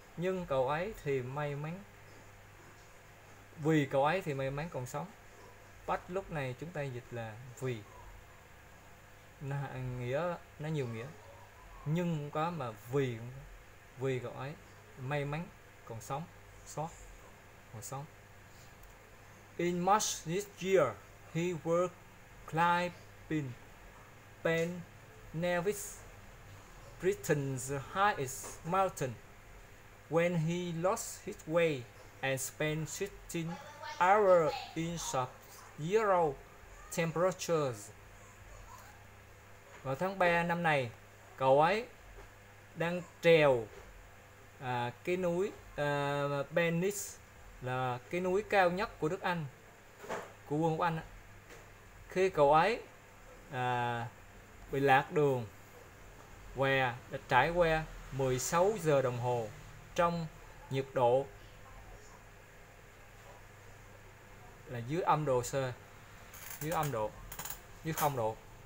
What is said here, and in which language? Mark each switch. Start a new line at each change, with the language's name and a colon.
Vietnamese: Nhưng cậu ấy thì may mắn. Vì cậu ấy thì may mắn còn sống. Bắt lúc này chúng ta dịch là vì. Nó nhiều nghĩa. Nhưng cũng có mà vì. Vì cậu ấy may mắn còn sống. Sót. Còn sống.
English: In March this year, he was climbing Ben Nevis, Britain's highest mountain, when he lost his way and spent 16 hours in sub-zero temperatures.
Vietnamese: Vào tháng 3 năm này, cậu ấy đang trèo cái núi Pennis, là cái núi cao nhất của Đức Anh, của Vương quốc Anh. Khi cậu ấy bị lạc đường, đã trải qua 16 giờ đồng hồ trong nhiệt độ là dưới âm độ C, dưới âm độ, dưới 0 độ.